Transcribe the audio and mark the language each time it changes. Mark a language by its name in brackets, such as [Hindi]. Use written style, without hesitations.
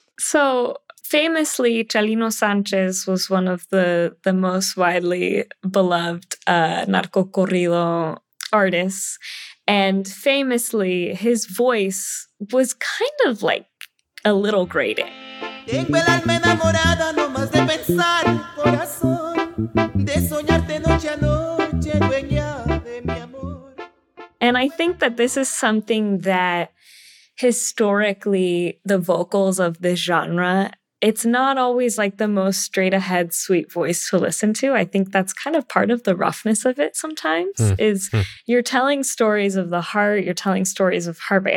[English] So famously, Chalino Sanchez was one of the most widely beloved narco corrido artists. And famously, his voice was kind of like a little grating. [Spanish] Tengo el alma enamorada no más de pensar, corazón, de soñarte noche a noche, dueña de mi amor. [English] And I think that this is something that historically, the vocals of this genre, it's not always like the most straight ahead, sweet voice to listen to. I think that's kind of part of the roughness of it sometimes is you're telling stories of the heart, you're telling stories of heartbreak.